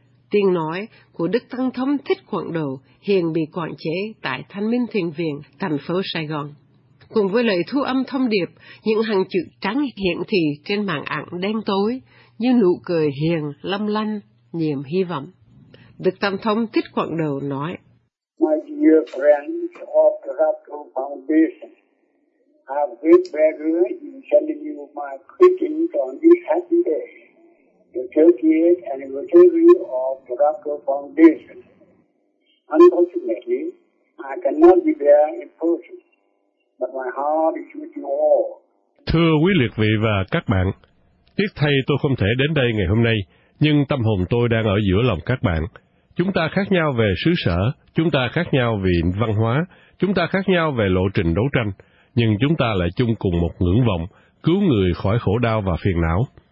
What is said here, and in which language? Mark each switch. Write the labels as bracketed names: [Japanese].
[Vietnamese] Tiếng nói của Đức Tăng Thống Thích Quảng Độ hiện bị quản chế tại Thanh Minh Thiền Viện, thành phố Sài Gòn. Cùng với lời thu âm thông điệp, những hàng chữ trắng hiển thị trên màn ảnh đen tối như nụ cười hiền lâm lanh niềm hy vọng. Đức Tăng Thống Thích Quảng Độ nói: [English] "My dear friends of the Raptor Foundation, I have great pleasure in sending you my greetings on this happy day, the 30th anniversary of the Raptor Foundation. Unfortunately, I cannot be there in person, but my heart is with you all." [Vietnamese] Thưa quý liệt vị và các bạn, tiếc thay tôi không thể đến đây ngày hôm nay, nhưng tâm hồn tôi đang ở giữa lòng các bạn. Chúng ta khác nhau về xứ sở, chúng ta khác nhau về văn hóa, chúng ta khác nhau về lộ trình đấu tranh, nhưng chúng ta lại chung cùng một ngưỡng vọng, cứu người khỏi khổ đau và phiền não.